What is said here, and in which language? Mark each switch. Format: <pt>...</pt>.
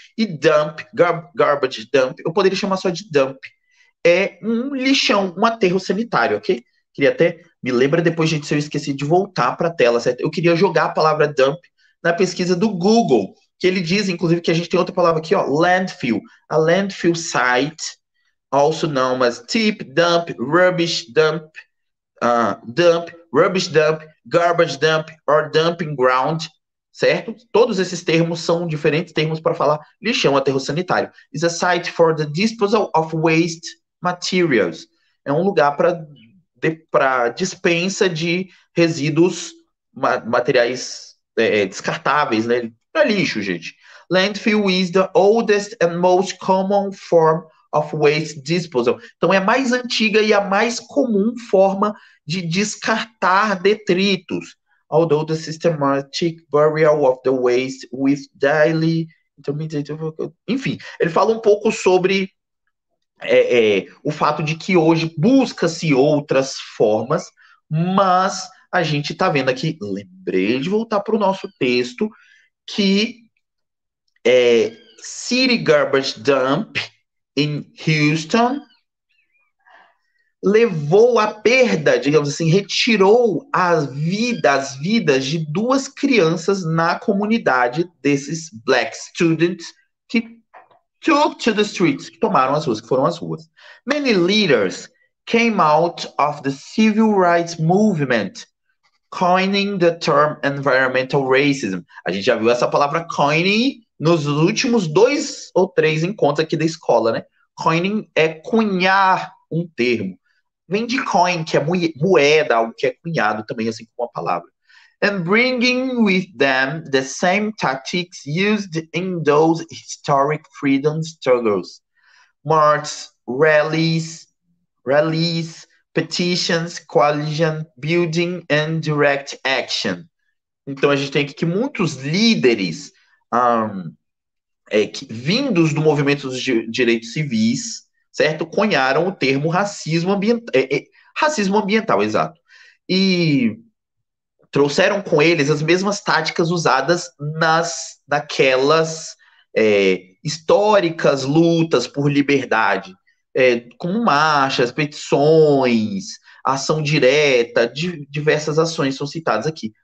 <pt>E dump, garbage dump, eu poderia chamar só de dump, é um lixão, um aterro sanitário, ok? Queria até, me lembra depois, gente, se eu esqueci de voltar para a tela, certo? Eu queria jogar a palavra dump na pesquisa do Google, que ele diz, inclusive, que a gente tem outra palavra aqui, ó, landfill.</pt> <en>A landfill site, also known as tip dump, rubbish dump, dump, rubbish dump, garbage dump or dumping ground, certo?</en> <pt>Todos esses termos são diferentes termos para falar lixão, aterro sanitário.</pt> <en>It's a site for the disposal of waste materials.</en> <pt>É um lugar para dispensa de resíduos, materiais descartáveis, né? Para lixo, gente.</pt> <en>Landfill is the oldest and most common form of waste disposal.</en> <pt>Então, é a mais antiga e a mais comum forma de descartar detritos.</pt> <en>Although the systematic burial of the waste with daily intermediate.</en> <pt>Enfim, ele fala um pouco sobre o fato de que hoje busca-se outras formas, mas a gente está vendo aqui. Lembrei de voltar para o nosso texto, que</pt> <en>city garbage dump</en> <pt>in Houston, levou a perda, digamos assim, retirou as vidas de duas crianças na comunidade desses</pt> <en>black students</en> <pt>que</pt> <en>took to the streets,</en> <pt>que tomaram as ruas, que foram as ruas.</pt> <en>Many leaders came out of the civil rights movement, coining the term environmental racism.</en> <pt>A gente já viu essa palavra coining nos últimos dois ou três encontros aqui da escola, né? Coining é cunhar um termo. Vem de coin, que é moeda, algo que é cunhado também, assim como a palavra.</pt> <en>And bringing with them the same tactics used in those historic freedom struggles. March, rallies, petitions, coalition building and direct action.</en> <pt>Então, a gente tem aqui que muitos líderes vindos do movimento dos direitos civis, certo? Cunharam o termo racismo ambiental, exato. E trouxeram com eles as mesmas táticas usadas naquelas históricas lutas por liberdade, como marchas, petições, ação direta, diversas ações são citadas aqui.</pt>